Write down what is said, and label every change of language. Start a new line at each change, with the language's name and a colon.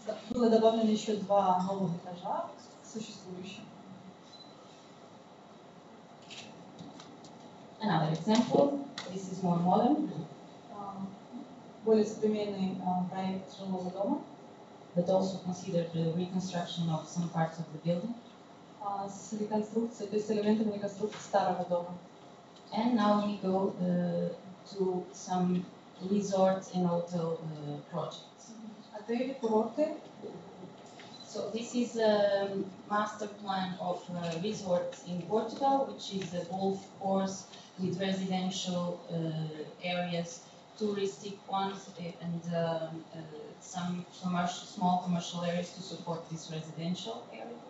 Russian: Было добавлено еще два новых этажа существующих.
English: Another example. This is more modern.
Russian: Более современный проект жилого дома.
English: But also considered the reconstruction of some parts of the building.
Russian: С реконструкцией, то есть с элементами реконструкции старого дома.
English: And now we go to some resort and hotel projects.
Russian: Отели, курорты.
English: So this is a master plan of a resort in Portugal, which is a golf course with residential areas, touristic ones, and some commercial, small commercial areas to support this residential area.